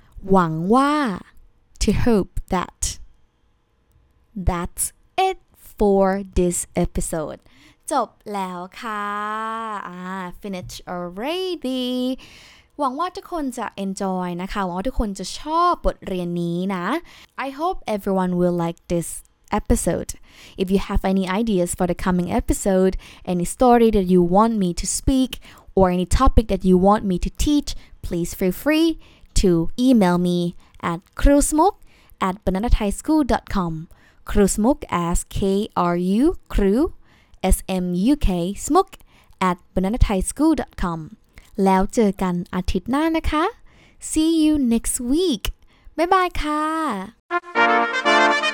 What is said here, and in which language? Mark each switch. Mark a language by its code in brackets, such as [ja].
[en] หวังว่า to hope that. That's it for this episode. [th] จบแล้วค่ะ [en] finish already [th] หวังว่าทุกคนจะ enjoy นะคะหวังว่าทุกคนจะชอบบทเรียนนี้นะ [en] I hope everyone will like this episode If you have any ideas for the coming episode any story that you want me to speak or any topic that you want me to teach please feel free to email me at krusmuk@bananathaischool.com krusmuk as kru krusmuk smuk at bananathaischool.com [th] แล้วเจอกันอาทิตย์หน้านะคะ [en] See you next week Bye bye [th] ค่ะ